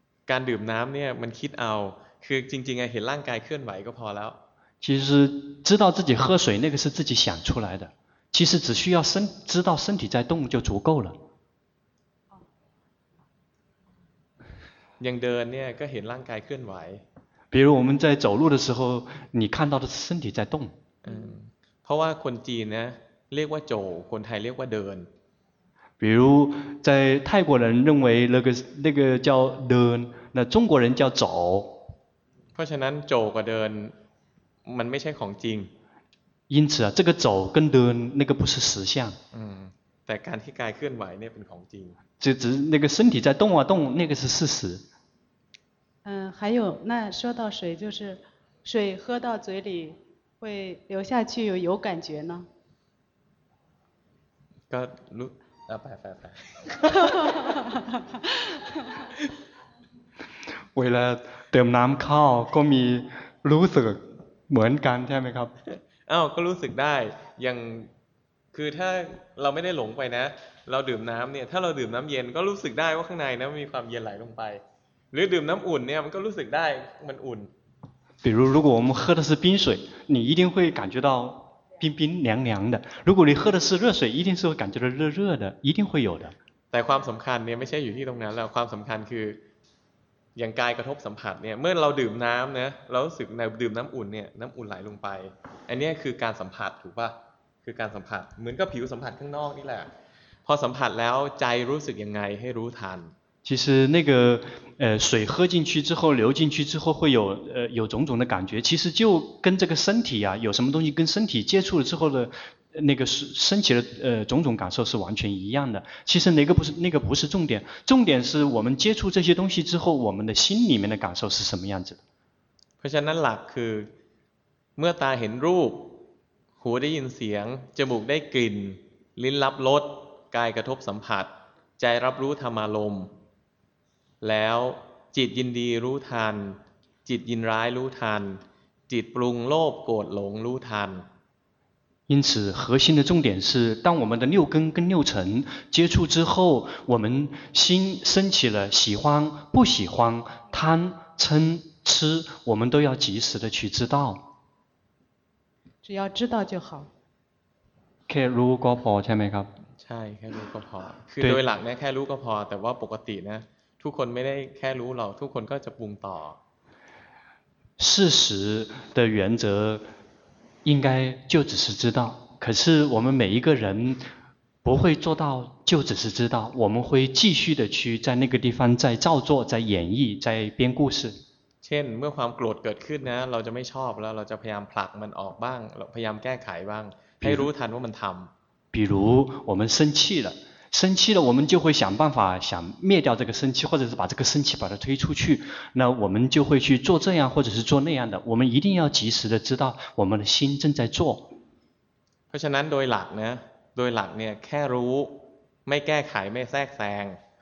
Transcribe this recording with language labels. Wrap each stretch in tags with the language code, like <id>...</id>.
<th>การดื่มน้ำเนี่ยมันคิดเอาคือจริงๆเห็นร่างกายเคลื่อนไหวก็พอแล้ว</th> <zh>其实知道自己喝水那个是自己想出来的，其实只需要知道身体在动就足够了。</zh> <th>ยังเดินเนี่ยก็เห็นร่างกายเคลื่อนไหว</th> <zh>比如我们在走路的时候，你看到的是身体在动。</zh> <th>เพราะว่าคนจีนนะเรียกว่าโจคนไทยเรียกว่าเดิน</th> <zh>比如在泰国人认为那个叫เดิน那中国人叫走</zh> <th>เพราะฉะนั้นโจกับเดินมันไม่ใช่ของจริง</th> <zh>因此啊这个走跟เดิน那个不是实相</zh> <th>แต่การที่กายเคลื่อนไหวเนี่ยเป็นของจริง</th> <zh>只那个身体在动啊动那个是事实还有那说到水就是水喝到嘴里会流下去有感觉呢</zh> <th>ก็รู้ไปไป เวลาเติมน้ำข้าวก็มีรู้สึกเหมือนกันใช่ไหมครับ อ้าวก็รู้สึกได้อย่างคือถ้าเราไม่ได้หลงไปนะเราดื่มน้ำเนี่ยถ้าเราดื่มน้ำเย็นก็รู้สึกได้ว่าข้างในนะมีความเย็นไหลลงไปหรือดื่มน้ำอุ่นเนี่ยมันก็รู้สึกได้มันอุ่น</th> <zh>比如如果我们喝的是冰水你一定会感觉到冰冰凉凉的如果你喝的是热水一定是会感觉到热热的一定会有的</zh> <th>แต่ความสำคัญเนี่ยไม่ใช่อยู่ที่ตรงนั้นแล้วความสำคัญคืออย่างกายกระทบสัมผัสเนี่ยเมื่อเราดื่มน้ำนะเรารู้สึกในดื่มน้ำอุ่นเนี่ยน้ำอุ่นไหลลงไปอันนี้คือการสัมผัสถูกป่ะคือการสัมผัสเหมือนกับผิวสัมผัสข้างนอกนี่แหละพอสัมผัสแล้วใจรู้สึกยังไงให้รู้ทัน</th> <zh>其实那个水喝进去之后流进去之后会有有种种的感觉其实就跟这个身体啊有什么东西跟身体接触了之后的那个身体的种种感受是完全一样的其实那个不是重点重点是我们接触这些东西之后我们的心里面的感受是什么样子的</zh> <th>เพราะฉะนั้นหลักคือเมื่อตาเห็นรูปหูได้ยินเสียงจมูกได้กลิ่นลิ้นรับรสกายกระทบสัมผัสใจรับรู้ธรรมารมณ์แล้วจิตยินดีรู้ทันจิตยินร้ายรู้ทันจิตปรุงโลภโกรธหลงรู้ทัน</th> <zh>因此核心的重点是当我们的六根跟六尘接触之后我们心升起了喜欢不喜欢贪嗔痴我们都要及时的去知道只要知道就好</zh> <th>แค่รู้ก็พอใช่ไหมครับ ใช่แค่รู้ก็พอคือโดยหลักเนี่ยแค่รู้ก็พอแต่ว่าปกตินะทุกคนไม่ได้แค่รู้หรอกทุกคนก็จะปรุงต่อ</th> <zh>事实的原则应该就只是知道可是我们每一个人不会做到就只是知道我们会继续的去在那个地方再造作再演绎再编故事</zh> <th>เช่นเมื่อความโกรธเกิดขึ้นนะเราจะไม่ชอบแล้วเราจะพยายามผลักมันออกบ้างพยายามแก้ไขบ้างให้รู้ทันว่ามันทำ</th> <zh>比如我们生气了，生气了，我们就会想办法想灭掉这个生气，或者是把这个生气把它推出去。那我们就会去做这样，或者是做那样的。我们一定要及时的知道我们的心正在做。</zh> <th>เพราะฉะนั้นโดยหลักเนี่ย โดยหลักเนี่ย แค่รู้ ไม่แก้ไข ไม่แทรกแซง</th>